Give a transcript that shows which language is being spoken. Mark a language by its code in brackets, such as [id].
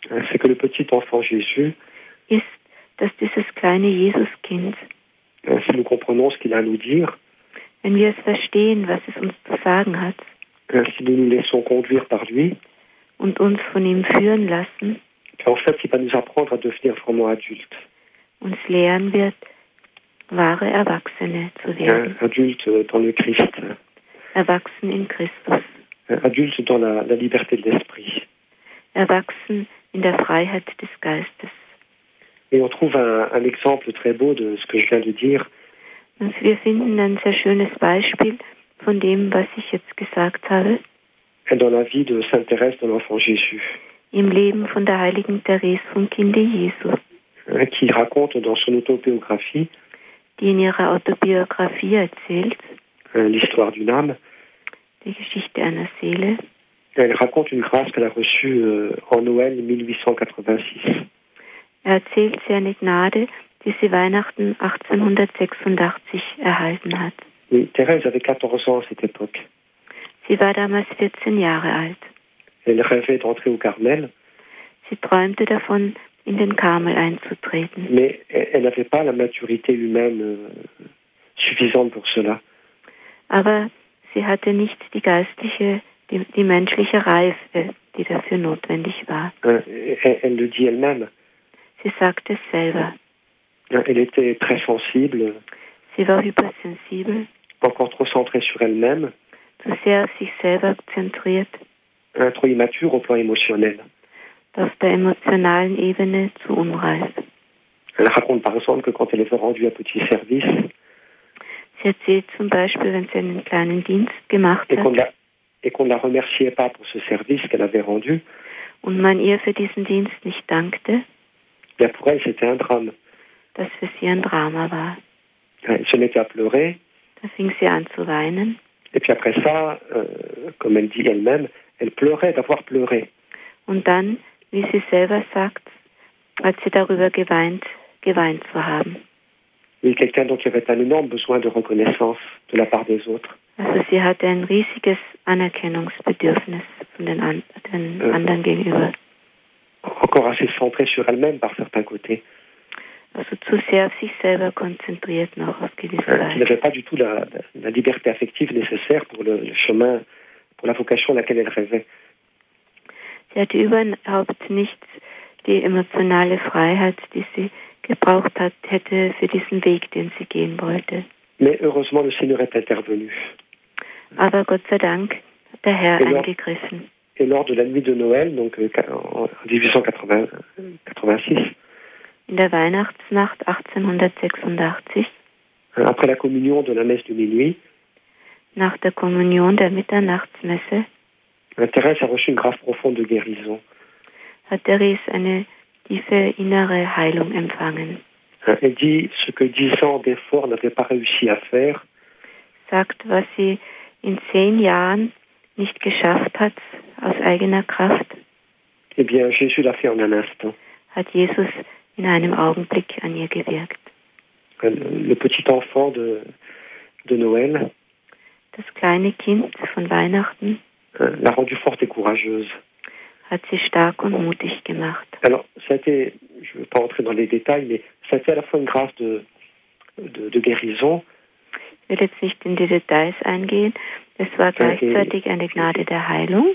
[fr] C'est que le petit enfant Jésus [de] ist, dass dieses kleine Jesuskind, [fr] si nous comprenons ce qu'il a à nous dire, [de] wenn wir es verstehen, was es uns zu sagen hat, [fr] si nous nous laissons conduire par lui, [de] und uns von ihm führen lassen, [fr] en fait, il va nous apprendre à devenir vraiment adultes. [de] Uns lehren wird, wahre Erwachsene zu werden. [fr] Adultes dans le Christ. [de] Erwachsen in Christus. [fr] Adultes dans la liberté de l'esprit. [de] Erwachsen in der Freiheit des Geistes. [fr] Et on trouve un exemple très beau de ce que je viens de dire. [de] Und wir finden ein sehr schönes Beispiel von dem, was ich jetzt gesagt habe. [fr] Dans la vie de Sainte Thérèse de l'Enfant Jésus. [de] Im Leben von der heiligen Thérèse vom Kinde Jesus. [fr] Qui raconte dans son autobiographie, [de] die in ihrer Autobiographie erzählt, [fr] l'histoire d'une âme, [de] die Geschichte einer Seele. [fr] Elle raconte une grâce qu'elle a reçue en Noël 1886. [de] Erzählt sie eine Gnade, die sie Weihnachten 1886 erhalten hat. [fr] Oui, Thérèse avait 14 ans à cette époque. [de] Sie war damals 14 Jahre alt. [fr] Elle rêvait d'entrer au Carmel. [de] Sie träumte davon, in den Karmel einzutreten. [fr] Mais elle n'avait pas la maturité humaine suffisante pour cela. [de] Aber sie hatte nicht die geistliche, die menschliche Reife, die dafür notwendig war. [fr] Elle le dit elle-même. [de] Sie sagte es selber. [fr] Elle était très sensible. [de] Sie war hypersensibel. [fr] Encore trop centrée sur elle-même. [de] Zu sehr auf sich selber zentriert. [fr] Trop immature au plan émotionnel. [de] Auf der emotionalen Ebene zu unreif. [fr] Elle raconte par exemple que quand elle est rendue à petit service. [de] Sie erzählt zum Beispiel, wenn sie einen kleinen Dienst gemacht hat. [fr] Et qu'on ne la remerciait pas pour ce service qu'elle avait rendu. [de] Und man ihr für diesen Dienst nicht dankte. [fr] Bien pour elle, c'était un drame. [de] Dass für sie ein Drama war. [fr] Elle se mettait à pleurer. [de] Da fing sie an zu weinen. [fr] Et puis après ça, comme elle dit elle-même, elle pleurait d'avoir pleuré. [de] Und dann, wie sie selber sagt, hat sie darüber geweint zu haben. [fr] Oui, quelqu'un dont il y avait un énorme besoin de reconnaissance de la part des autres. [de] Also sie hatte ein riesiges Anerkennungsbedürfnis von den anderen gegenüber. [fr] Encore assez centrée sur elle-même par certains côtés. [de] Also zu sehr auf sich selber konzentriert noch auf gewisse Weise. [fr] Elle n'avait pas du tout la liberté affective nécessaire pour le chemin, pour la vocation à laquelle elle rêvait. [de] Sie hatte überhaupt nicht die emotionale Freiheit, die sie gebraucht hätte für diesen Weg, den sie gehen wollte. [fr] Mais heureusement, le Seigneur est intervenu. [de] Aber Gott sei Dank hat der Herr eingegriffen. [fr] Et lors de la nuit de Noël, donc en 1886, [de] in der Weihnachtsnacht 1886, [fr] après la communion de la messe de minuit, [de] nach der Kommunion der Mitternachtsmesse, [fr] Thérèse a reçu une grâce profonde de guérison. [de] Hat Thérèse eine tiefe innere Heilung empfangen. [fr] Elle dit ce que 10 ans d'effort n'avait pas réussi à faire. [de] Sagt, was sie in 10 Jahren nicht geschafft hat, aus eigener Kraft. [fr] Eh bien, Jésus l'a fait en un instant. [de] Hat Jesus in einem Augenblick an ihr gewirkt. [fr] Le petit enfant de Noël. [de] Das kleine Kind von Weihnachten. [fr] L'a rendue forte et courageuse. [de] Hat sie stark und mutig gemacht. [fr] Alors, ça a été, je ne veux pas entrer dans les détails, mais ça a été à la fois une grâce de guérison. [de] Ich will jetzt nicht in die Details eingehen. Es war gleichzeitig eine Gnade der Heilung.